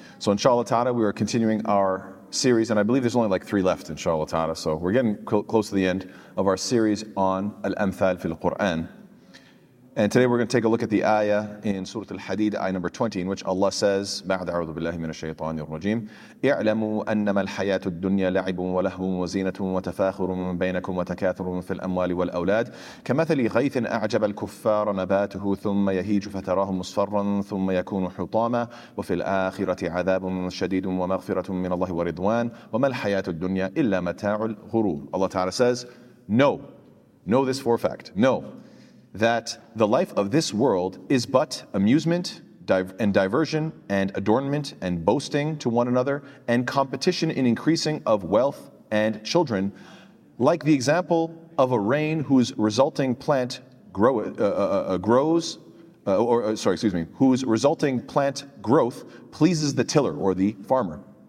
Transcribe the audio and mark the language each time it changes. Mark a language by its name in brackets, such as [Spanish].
[English] So inshallah ta'ala, we are continuing our series, and I believe there's only like three left inshallah ta'ala, so we're getting close to the end of our series on Al-Amthal fil Qur'an. And today we're going to take a look at the ayah in Surah Al-Hadeed, ayah number 20, in which Allah says, [Arabic] بعد أعوذ بالله من الشيطان الرجيم اعلموا أنما الحياة الدنيا لعب ولهو وزينة وتفاخر بينكم وتكاثر في الأموال والأولاد كمثل غيث أعجب الكفار نباته ثم يهيج فتراه مصفرا ثم يكون حطاما وفي الآخرة عذاب شديد ومغفرة من الله ورضوان وما الحياة الدنيا إلا متاع الغرور. [English] Allah Ta'ala says, know this for a fact, that the life of this world is but amusement and diversion and adornment and boasting to one another and competition in increasing of wealth and children, like the example of a rain whose resulting plant whose resulting plant growth pleases the tiller or the farmer.